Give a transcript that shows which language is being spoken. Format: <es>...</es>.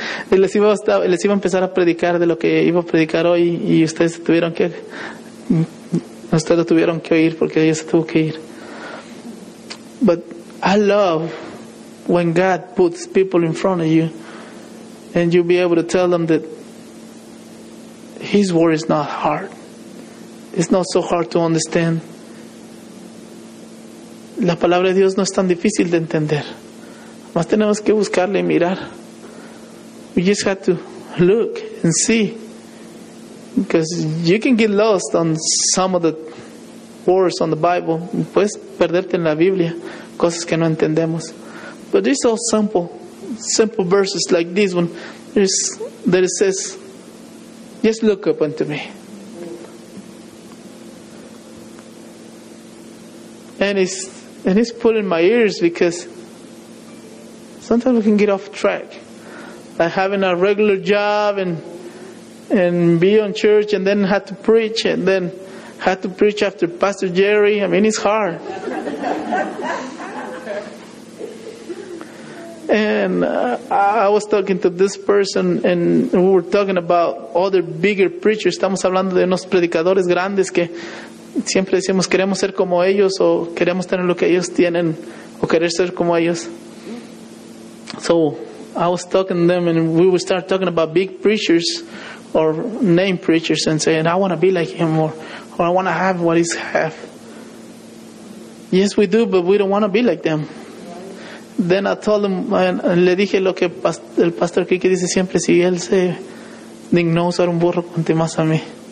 <es>les iba a empezar a predicar de lo que iba a predicar hoy y ustedes tuvieron que oír porque ella se tuvo que ir.</es> <en>But I love when God puts people in front of you and you'll be able to tell them that His word is not hard. It's not so hard to understand.</en> <es>La palabra de Dios no es tan difícil de entender. Más tenemos que buscarle y mirar.</es> <en>We just have to look and see. Because you can get lost on some of the words on the Bible.</en> <es>Puedes perderte en la Biblia, cosas que no entendemos.</es> <en>But it's all simple verses like this one. That it says, just look up unto me. And it's pulling my ears, because sometimes we can get off track. Like having a regular job and be on church and then have to preach and then have to preach after Pastor Jerry. I mean, it's hard. And I was talking to this person and we were talking about other bigger preachers.</en> <es>Estamos hablando de unos predicadores grandes que siempre decimos queremos ser como ellos o queremos tener lo que ellos tienen o querer ser como ellos.</es> <en>So I was talking to them and we would start talking about big preachers or name preachers and saying I want to be like him or I want to have what he's have. Yes, we do, but we don't want to be like them. Then I told him,</en> <es>le dije lo que el pastor Kiki dice siempre, si él se dignó usar un burro, conté más a mí.</es>